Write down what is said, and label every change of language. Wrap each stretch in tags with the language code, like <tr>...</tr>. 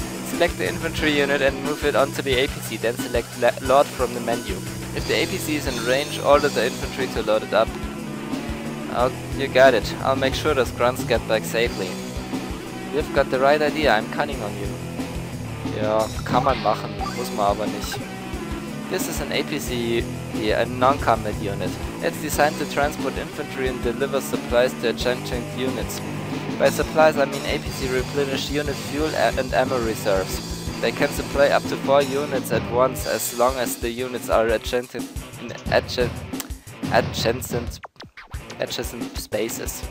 <en>Select the infantry unit and move it onto the APC, then select Lord from the menu. If the APC is in range, order the infantry to load it up. Oh, you got it. I'll make sure those grunts get back safely. You've got the right idea, I'm counting on you.</en> <de>Ja, kann man machen, muss man aber nicht.</de> <en>This is an APC, a non-combat unit. It's designed to transport infantry and deliver supplies to adjacent units. By supplies, I mean APC replenish unit fuel and ammo reserves. They can supply up to 4 units at once as long as the units are adjacent spaces.</en>